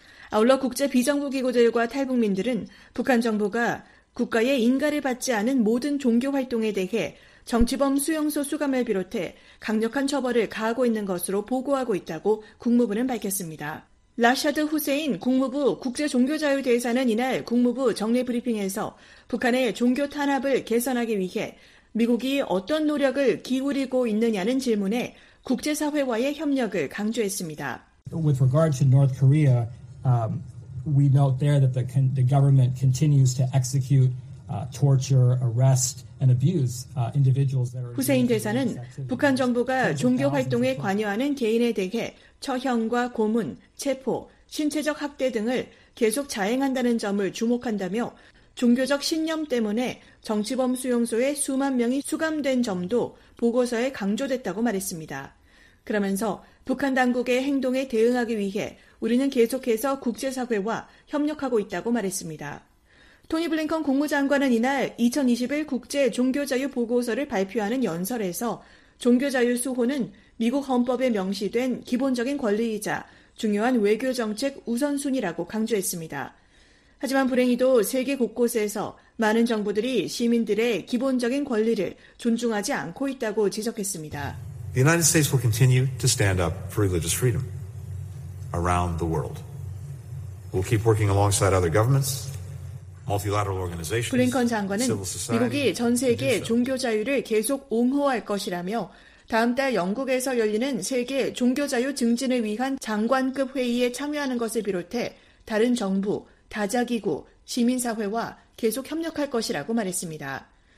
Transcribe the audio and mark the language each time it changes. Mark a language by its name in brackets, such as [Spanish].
[Korean] 아울러 국제 비정부기구들과 탈북민들은 북한 정부가 국가의 인가를 받지 않은 모든 종교 활동에 대해 정치범 수용소 수감을 비롯해 강력한 처벌을 가하고 있는 것으로 보고하고 있다고 국무부는 밝혔습니다. 라샤드 후세인 국무부 국제종교자유대사는 이날 국무부 정례 브리핑에서 북한의 종교 탄압을 개선하기 위해 미국이 어떤 노력을 기울이고 있느냐는 질문에 국제사회와의 협력을 강조했습니다. [English] With regard to North Korea, we note there that the government continues to execute torture, arrest, and abuse individuals that are. [Korean] 후세인 대사는 북한 정부가 종교 활동에 관여하는 개인에 대해 처형과 고문, 체포, 신체적 학대 등을 계속 자행한다는 점을 주목한다며 종교적 신념 때문에 정치범 수용소에 수만 명이 수감된 점도 보고서에 강조됐다고 말했습니다. 그러면서 북한 당국의 행동에 대응하기 위해 우리는 계속해서 국제사회와 협력하고 있다고 말했습니다. 토니 블링컨 국무장관은 이날 2021 국제 종교자유 보고서를 발표하는 연설에서 종교자유 수호는 미국 헌법에 명시된 기본적인 권리이자 중요한 외교정책 우선순위라고 강조했습니다. 하지만 불행히도 세계 곳곳에서 많은 정부들이 시민들의 기본적인 권리를 존중하지 않고 있다고 지적했습니다. [English] The United States will continue to stand up for religious freedom around the world. We'll keep working alongside other governments. [Korean] 블링컨 장관은 미국이 전 세계 종교 자유를 계속 옹호할 것이라며 다음 달 영국에서 열리는 세계 종교 자유 증진을 위한 장관급 회의에 참여하는 것을 비롯해 다른 정부, 다자기구, 시민사회와 계속 협력할 것이라고 말했습니다.